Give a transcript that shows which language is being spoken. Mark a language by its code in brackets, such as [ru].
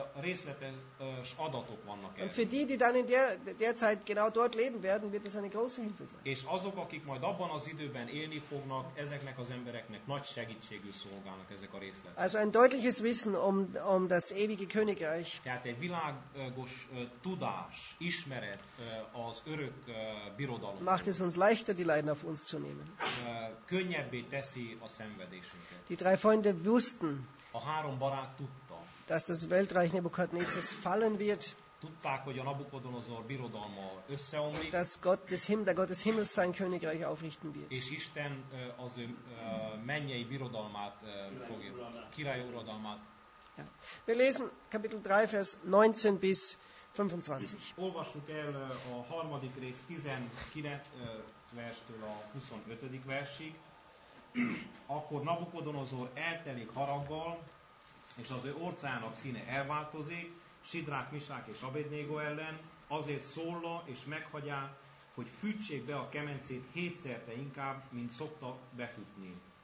[hu] részletes adatok vannak erre. [de] Für die, die dann in der Zeit genau dort leben werden, wird es eine große Hilfe sein. [hu] És azok, akik majd abban az időben élni fognak, ezeknek az embereknek nagy segítségül szolgálnak ezek a részletek. [de] Also ein deutliches Wissen um das ewige Königreich. [hu] Tehát egy világos tudás, ismeret az örök birodalom. [de] Macht es uns leichter, die Leiden auf uns zu nehmen. [hu] Könnyebbé teszi a szenvedésünket. [de] Die drei Freunde wussten, [hu] a három barát tudta, [de] dass das Weltreich Nebukadnezars fallen wird. [hu] Tudták, hogy a Nabukodonozor birodalma összeomlik. [de] Und dass Gott des Himmels sein Königreich aufrichten wird. [hu] És Isten az ő mennyei birodalmát fogja, királyi uradalmát. [de] Ja. Wir lesen Kapitel 3, Vers 19 bis 25. [hu] Olvassuk el a harmadik rész 19. verstől a 25. versig. Akkor Nabukodonozor eltelik haraggal, és az ő orcának színe elváltozik, Sidrák, Misák és Abednego ellen, azért szólla és meghagyá, hogy fűtsék be a kemencét hétszerte inkább, mint szokta befűtni.